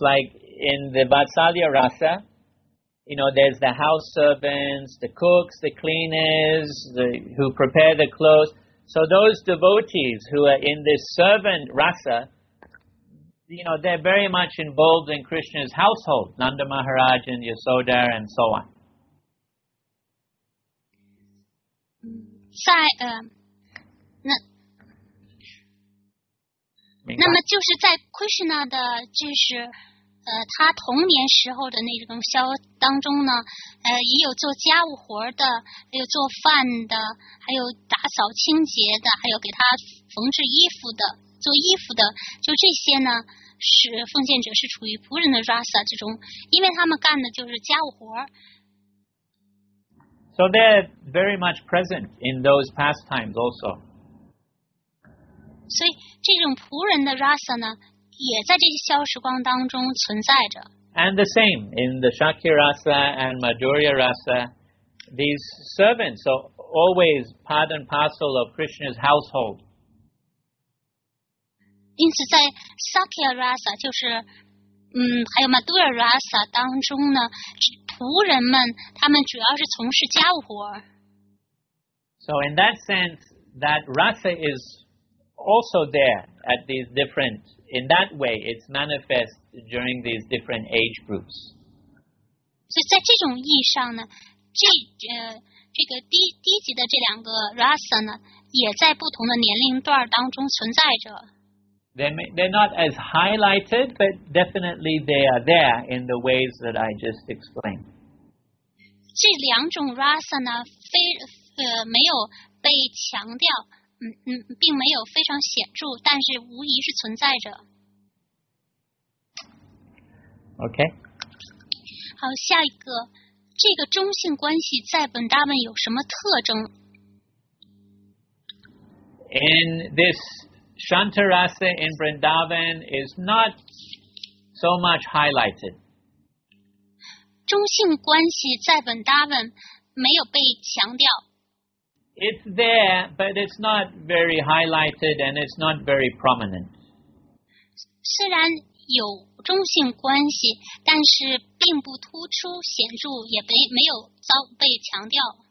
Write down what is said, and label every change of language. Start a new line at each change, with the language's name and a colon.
English: Like in the Vatsalya Rasa, you know, there's the house servants, the cooks, the cleaners, who prepare the clothes. So those devotees who are in this servant Rasa, you know, they're very much involved in Krishna's household, Nanda Maharaj and Yasoda and so on.
Chinese: 在那么就是在 Krishna 的就是他童年时候的那种消当中呢，也有做家务活的，还有做饭的，还有打扫清洁的，还有给他缝制衣服的，做衣服的，就这些呢，是奉献者是处于仆人的 rasa 之中，因为他们干的就是家务活。
English: So they're very much present in those pastimes also.
Chinese: 所以这种仆人的 rasa 呢，也在这些消时光当中存在着。
English: And the same in the Shakya rasa and Madhurya rasa, these servants are always part and parcel of Krishna's household.
Chinese: 因此在 Shakya rasa 就是还有 Madhurya rasa 当中呢，仆人们他们主要是从事家务活。
English: So in that sense, that rasa is also there at these different, in that way, it's manifest during these different age groups.
Chinese: 所以在这种意义上呢，这个低级的这两个 rasa 呢，也在不同的年龄段当中存在着。
English: They're not as highlighted, but definitely they are there in the ways that I just explained.
Chinese: 这两种 rasa 呢，没有被强调，并没有非常显著，但是无疑是存在着。
English: Okay.
Chinese: 好，下一个，这个中性关系在本大门有什么特征？
English: In this. Shanta rasa in Vrindavan is not so much highlighted.
Chinese: 中性关系在 Vrindavan 没有被强调。
English: It's there, but it's not very highlighted and it's not very prominent.
Chinese: 虽然有中性关系，但是并不突出显著，也没有遭被强调。